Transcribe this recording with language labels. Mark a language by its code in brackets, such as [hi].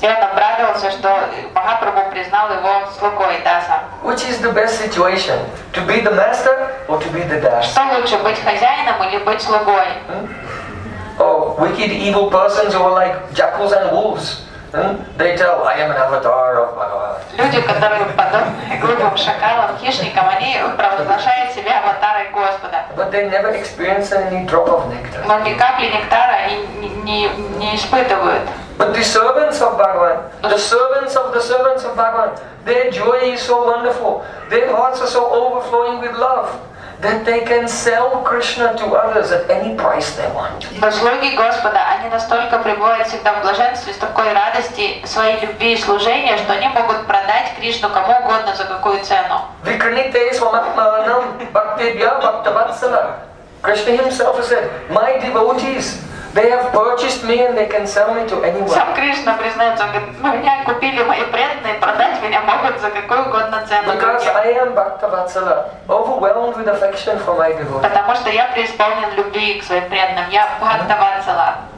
[en] Which is the best situation? To be the master or to be the Das? Oh, wicked evil persons who are like jackals and wolves. They tell, "I am an avatar of Bhagavan." [ru] Люди, которые подобны глупым шакалам, хищникам, они провозглашают себя аватарами Господа. [en] But they never experience any drop of nectar. [ru] Но ни капли нектара они не испытывают. [en] But the servants of Bhagavan, the servants of Bhagavan, their joy is so wonderful, their hearts are so overflowing with love, that they can sell Krishna to others at any price they want. [ru] Но слуги Господа, они настолько пребывают всегда в блаженстве, с такой радости своей любви и служения, что они могут продать Кришну кому угодно за какую цену. [sa] Викрините сваматманам бхактебья бхактаватсала. [en] Krishna himself has said, "My devotees, they have purchased me and they can sell me to anyone." [ru] Сам Кришна признается, меня купили мои преданные, продать меня могут за какую угодно цену. [en] Because I am Bhaktavatsala, overwhelmed with affection for my devotees. [ru] Потому что я преисполнен любви к своим преданным, я Бхактавацала.